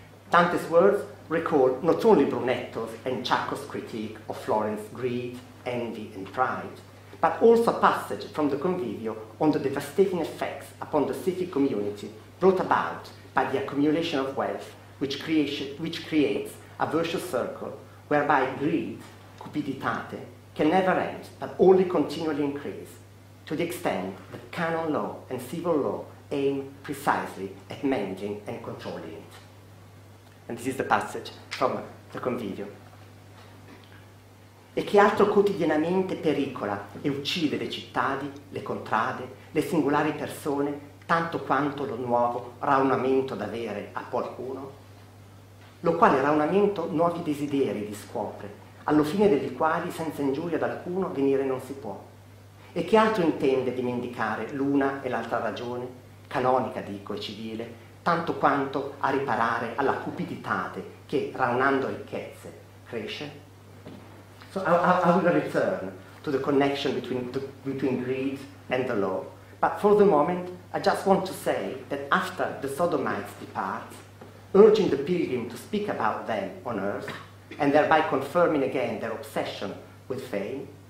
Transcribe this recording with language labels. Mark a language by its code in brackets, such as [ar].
[en] Dante's words recall not only Brunetto's and Chacco's critique of Florence's greed, envy and pride, but also a passage from the Convivio on the devastating effects upon the city community brought about by the accumulation of wealth which creates a virtuous circle whereby greed, cupiditate, can never end but only continually increase to the extent that canon law and civil law aim precisely at managing and controlling it. And this is the passage from the Convivio. [it] E che altro quotidianamente pericola e uccide le cittadi, le contrade, le singolari persone, tanto quanto lo nuovo raunamento d'avere a qualcuno? Lo quale raunamento nuovi desideri discopre, allo fine degli quali senza ingiuria ad alcuno venire non si può. E che altro intende dimenticare l'una e l'altra ragione, canonica dico e civile, tanto quanto a riparare alla cupiditate che, raunando ricchezze, cresce? [en] So I will return to the connection between greed and the law. But for the moment, I just want to say that after the Sodomites depart, urging the pilgrim to speak about them on earth, and thereby confirming again their obsession with fame,